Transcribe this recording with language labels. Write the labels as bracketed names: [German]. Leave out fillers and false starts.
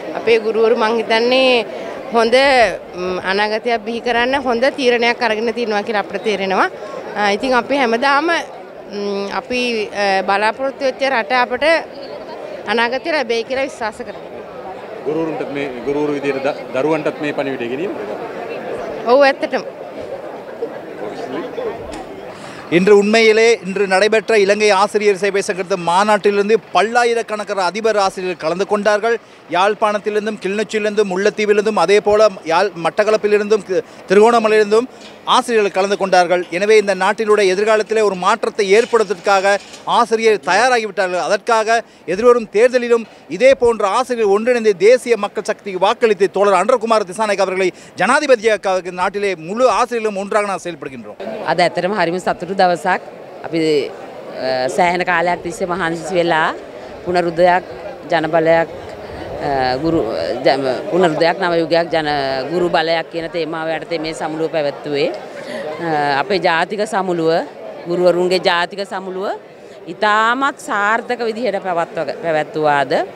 [Sinhala] අපේ ගුරුවරු මං හිතන්නේ හොඳ අනාගතයක් බිහි කරන්න හොඳ තීරණයක් අරගෙන තියෙනවා කියලා අපිට තේරෙනවා. ඉතින් අපි හැමදාම අපි බලාපොරොත්තු වෙච්ච රට අපට අනාගතය ලැබෙයි කියලා විශ්වාස කරනවා. ගුරුවරුන්ටත් මේ ගුරුවරු විදියට දරුවන්ටත් මේ පණිවිඩය ගෙනියන්න. ඔව් ඇත්තටම. [Tamil] இன்று உண்மையிலே இன்று நடைபெற்ற இலங்கை ஆசிரியர் சேவை சங்கத்தின் மாநாட்டிலிருந்து பல்லாயிரக்கணக்கான அதிபர் ஆசிரியர்கள் கலந்து கொண்டார்கள். யாழ்ப்பாணத்திலிருந்தும் கிள்ளிநொச்சியிலிருந்தும் முல்லைத்தீவிலிருந்தும் அதே போல மட்டக்களப்பிலிருந்தும் திருகோணமலையிலிருந்தும் ஆசிரியர்கள் கலந்து கொண்டார்கள். எனவே இந்த நாட்டினுடைய எதிர்காலத்திலே ஒரு மாற்றத்தை ஏற்படுத்துவதற்காக ஆசிரியர் தயாராகிவிட்டார்கள். அதற்காக எதிர்வரும் தேர்தலிலும் இதே போன்ற ஆசிரியர்கள் ஒன்றிணைந்து தேசிய மக்கள் சக்திக்கு வாக்களித்து தோழர் அன்றகுமார் திசாநாயக்க அவர்களை ஜனாதிபதியாக நாட்டிலே முழு ஆசிரியர்களும் ஒன்றாக நாம் செயல்படுகின்றோம். [Sinhala] සතුටු දවසක්. අපි සෑහෙන කාලයක් තිස්සේ මහන්සි වෙලා පුනරුදයක් ජනබලයක් ගුරු පුනරුදයක් නව යුගයක් ජන ගුරු බලයක් කියන තේමාව යටතේ මේ සමුළුව පැවැත්වුවේ. අපේ ජාතික සමුළුව, ගුරුවරුන්ගේ ජාතික සමුළුව ඉතාමත් සාර්ථක විදිහට පැවැත්වුවාද.